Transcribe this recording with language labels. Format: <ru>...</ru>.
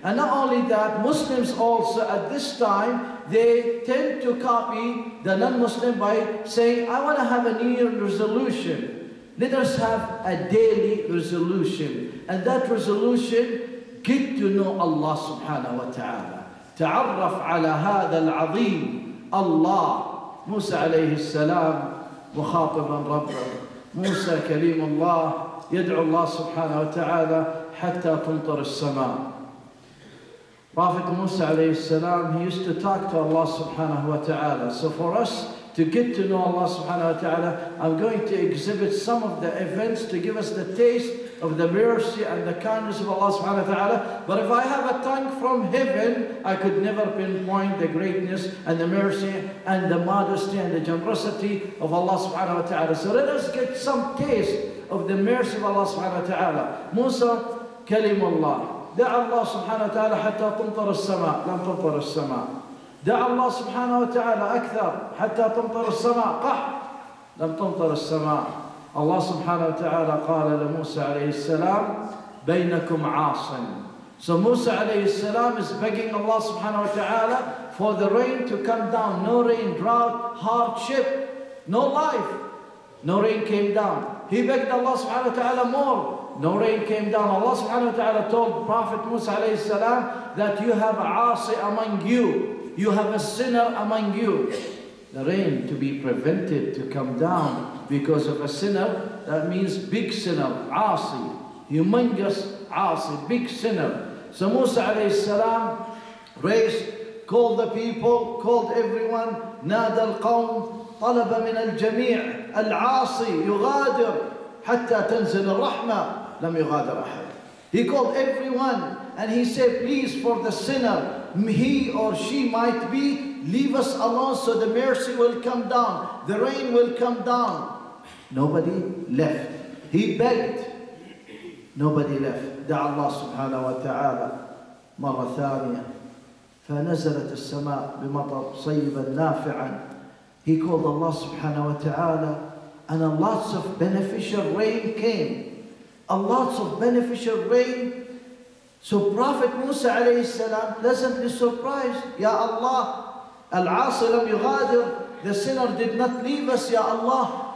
<en>And not only that, Muslims also at this time, they tend to copy the non-Muslim by saying, I want to have a New Year resolution. Let us have a daily resolution. And that resolution, get to know Allah subhanahu wa ta'ala.</en> <ar>تعرف على هذا العظيم الله. موسى عليه السلام مخاطبا ربه. موسى كليم الله يدعو الله سبحانه وتعالى حتى تمطر السماء.</ar> <en>Prophet موسى عليه السلام, he used to talk to Allah subhanahu wa ta'ala. So for us to get to know Allah subhanahu wa ta'ala, I'm going to exhibit some of the events to give us the taste of the mercy and the kindness of Allah subhanahu wa ta'ala. But if I have a tongue from heaven, I could never pinpoint the greatness and the mercy and the modesty and the generosity of Allah subhanahu wa ta'ala. So let us get some taste of the mercy of Allah subhanahu wa ta'ala.</en> <ar>Musa, kalimullah. Da'a Allah subhanahu wa ta'ala hatta tumtar as-sama, lam tumtar as-sama. دعا الله سبحانه وتعالى أكثر حتى تمطر السماء قح لم تمطر السماء. الله سبحانه وتعالى قال لموسى عليه السلام بينكم عاصم.</ar> <en>So Musa عليه السلام is begging Allah سبحانه وتعالى for the rain to come down. No rain, drought, hardship, no life. No rain came down. He begged Allah سبحانه وتعالى more. No rain came down. Allah سبحانه وتعالى told Prophet Musa عليه السلام that you have عاصي among you. You have a sinner among you. The rain to be prevented to come down because of a sinner, that means big sinner, asi, humongous asi, big sinner. So Musa alayhi salam raised called the people, called everyone,</en> <ar>نادى القوم, طلب من الجميع, العاصي يغادر حتى تنزل الرحمة, لم يغادر أحد.</ar> <en>He called everyone and he said, please, for the sinner, he or she might be, leave us alone so the mercy will come down, the rain will come down. Nobody left. He begged. Nobody left. دعا الله سبحانه وتعالى مرة ثانية. فنزلت السماء بمطر صيبا نافعا. He called Allah subhanahu wa ta'ala and a lot of beneficial rain came. A lot of beneficial rain. So Prophet Musa alayhi salam pleasantly surprised.</en> <ar>Ya Allah, al-'asi lam yughadir,</ar> <en>the sinner did not leave us,</en> <ar>Ya Allah.</ar>